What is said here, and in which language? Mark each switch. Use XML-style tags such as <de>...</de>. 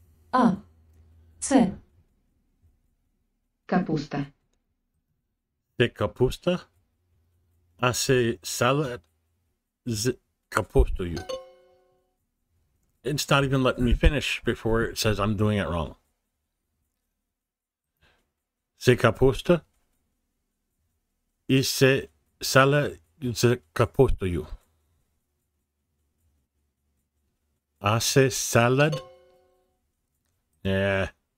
<uk>А, це капуста. Це капуста, а це салат з капустою.</uk> <en>It's not even letting me finish before it says I'm doing it wrong.</en> <uk>Це капуста і це салат з капустою. А це салат. Yeah.</uk>